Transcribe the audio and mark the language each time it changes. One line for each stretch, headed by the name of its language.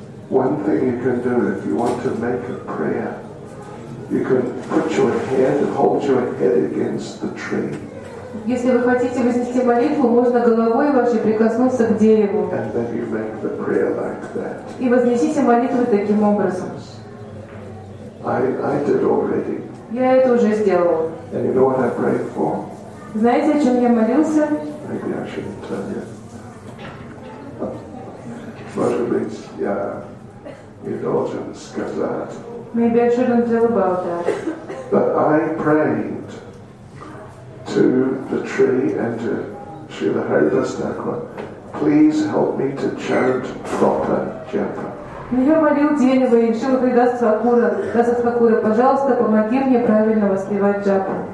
English: One thing you can do if you want to make a prayer, you can put your head, hold your head against the tree.
Russian: Если вы хотите вознести молитву, можно головой вашей прикоснуться к дереву.
English: And then you make the prayer like that.
Russian: И вознесите молитву таким образом.
English: I did already.
Russian: Я это уже сделал.
English: And you know what I prayed for?
Russian: Знаете, о чем я молился?
English: Maybe I shouldn't tell you.
Russian: Может быть, я не должен сказать.
English: Maybe I shouldn't tell about that. But I prayed to the tree and to Srila Haridas Thakur, please help me to chant proper japa.
Russian: Я молил дерево и Шрила Харидас Такура, Даса Такура, пожалуйста, помоги мне правильно воспевать джапу.